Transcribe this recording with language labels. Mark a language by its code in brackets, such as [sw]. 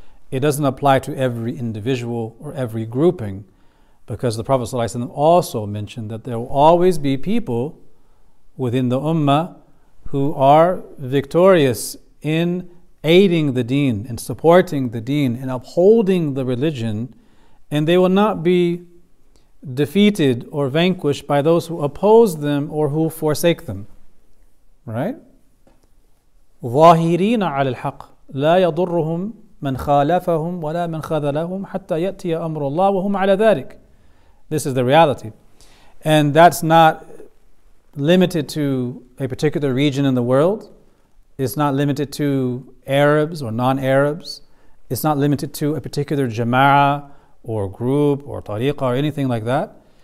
[en] It doesn't apply to every individual or every grouping, because the Prophet ﷺ also mentioned that there will always be people within the ummah who are victorious in aiding the deen and supporting the deen and upholding the religion, and they will not be defeated or vanquished by those who oppose them or who forsake them, right? [ar] ظاهرين على الحق لا يضرهم من خالفهم ولا من خذلهم حتى يأتي أمر الله وهم على ذلك. [en] This is the reality. And that's not limited to a particular region in the world. It's not limited to Arabs or non-Arabs. It's not limited to a particular jama'ah or group or tariqah or anything like that.